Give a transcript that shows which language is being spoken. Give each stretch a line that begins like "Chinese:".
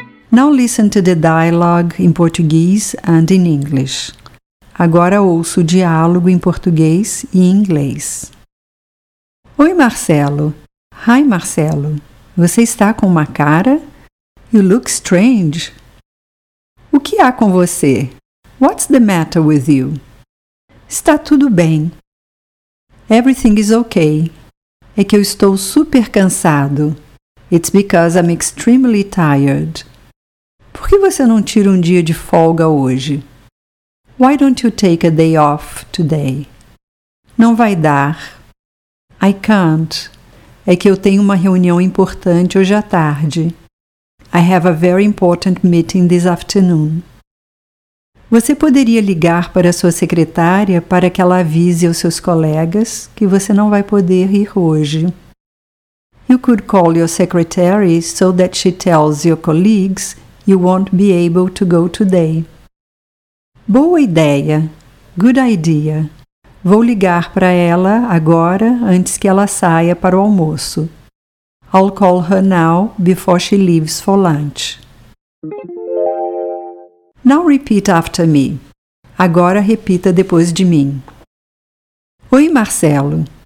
English: Now listen to the dialogue in Portuguese and in English.
Portuguese: Agora ouço o diálogo em português e em inglês. Oi, Marcelo.
English: Hi, Marcelo.
Portuguese: Você está com uma cara?
English: You look strange.
Portuguese: O que há com você?
English: What's the matter with you?
Portuguese: Está tudo bem.
English: Everything is okay.
Portuguese: É que eu estou super cansado.
English: It's because I'm extremely tired.
Portuguese: Por que você não tira um dia de folga hoje?
English: Why don't you take a day off today?
Portuguese: Não vai dar.
English: I can't.
Portuguese: É que eu tenho uma reunião importante hoje à tarde.
English: I have a very important meeting this afternoon.
Portuguese: Você poderia ligar para sua secretária para que ela avise aos seus colegas que você não vai poder ir hoje.
English: You could call your secretary so that she tells your colleagues you won't be able to go today.
Portuguese: Boa ideia.
English: Good idea.
Portuguese: Vou ligar para ela agora antes que ela saia para o almoço.
English: I'll call her now before she leaves for lunch. Now repeat after me.
Portuguese: Agora repita depois de mim. Oi, Marcelo.